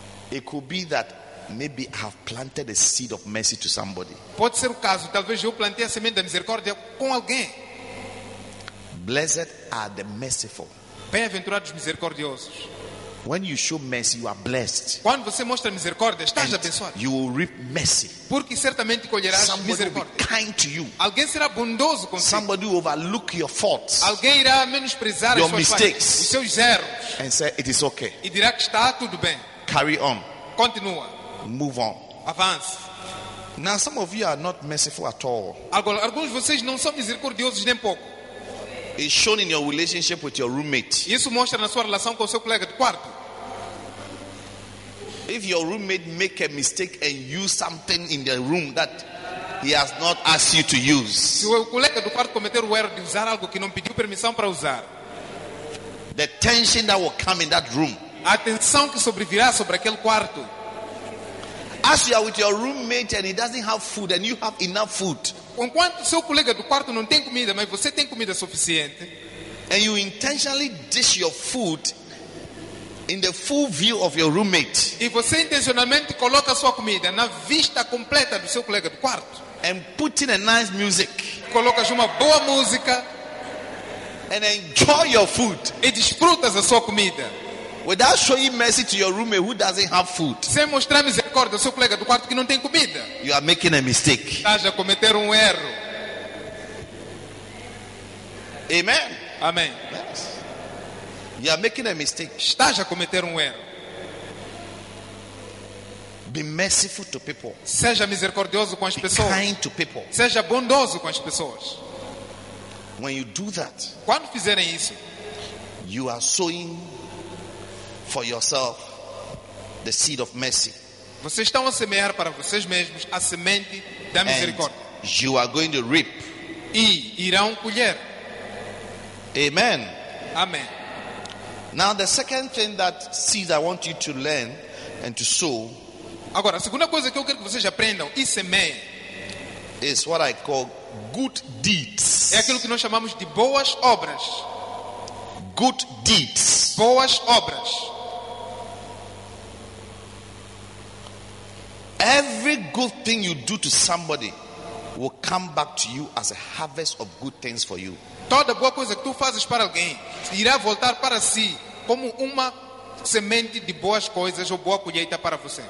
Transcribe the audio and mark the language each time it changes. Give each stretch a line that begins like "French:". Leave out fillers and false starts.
English: It could be that maybe I have planted a seed of mercy to somebody.
Portuguese: Pode ser o caso, talvez eu plantei a semente da misericórdia com alguém.
English: Blessed are the merciful.
Portuguese: Bem-aventurados misericordiosos.
English: When you show mercy, you are blessed.
Portuguese: Quando você mostra misericórdia, estás abençoado.
English: You will reap mercy.
Portuguese: Porque certamente colherás
English: somebody
Portuguese: misericórdia.
English: Will be kind to you.
Portuguese: Alguém será bondoso contigo.
English: Somebody will overlook your faults.
Portuguese: Alguém irá menosprezar
English: your mistakes.
Portuguese: Os seus erros.
English: And say it is okay.
Portuguese: E dirá que está tudo bem.
English: Carry on.
Portuguese: Continua.
English: Move on.
Portuguese: Avance.
English: Now some of you are not merciful at all.
Portuguese: Agora, alguns de vocês não são misericordiosos nem pouco.
English: It's shown in your relationship with your roommate.
Portuguese: Isso mostra na sua relação com o seu colega de quarto.
English: If your roommate make a mistake and use something in the room that he has not asked you to use.
Portuguese: Se o colega do quarto cometer o erro de usar algo que não pediu permissão para usar.
English: The tension that will come in that room.
Portuguese: A tensão que sobrevirá sobre aquele quarto.
English: As you are with your roommate and he doesn't have food and you have enough food.
Portuguese: Enquanto seu colega do quarto não tem comida, mas você tem comida suficiente.
English: And you intentionally dish your food in the full view of your roommate.
Portuguese: E você intencionalmente coloca sua comida na vista completa do seu colega do quarto.
English: And put in a nice music.
Portuguese: Colocas uma boa música.
English: And enjoy your food.
Portuguese: E desfrutas da sua comida.
English: Without showing mercy to your roommate who doesn't have food.
Portuguese: Sem mostrar misericórdia ao seu colega do quarto que não tem comida.
English: You are making a mistake.
Portuguese: Estás a cometer erro.
English: Amen.
Portuguese: Amém.
English: Yes. You are making a mistake.
Portuguese: Estás a cometer erro.
English: Be merciful to people.
Portuguese: Seja misericordioso com as
English: Be
Portuguese: pessoas.
English: Kind to people.
Portuguese: Seja bondoso com as pessoas.
English: When you do that,
Portuguese: quando fizerem isso,
English: you are sowing for yourself the seed of mercy.
Portuguese: Vocês estão a semear para vocês mesmos a semente da misericórdia.
English: And you are going to reap.
Portuguese: E irão colher.
English: Amen.
Portuguese: Amém.
English: Now the second thing that seed I want you to learn and to sow.
Portuguese: Agora, a segunda coisa que eu quero que vocês aprendam e semeiem
English: is what I call good deeds.
Portuguese: É aquilo que nós chamamos de boas obras.
English: Good deeds.
Portuguese: Boas obras.
English: Every good thing you do to somebody will come back to you as a harvest of good things for you.
Portuguese: Toda boa coisa que tu fazes para alguém irá voltar para si como uma semente de boas coisas ou boa colheita para você.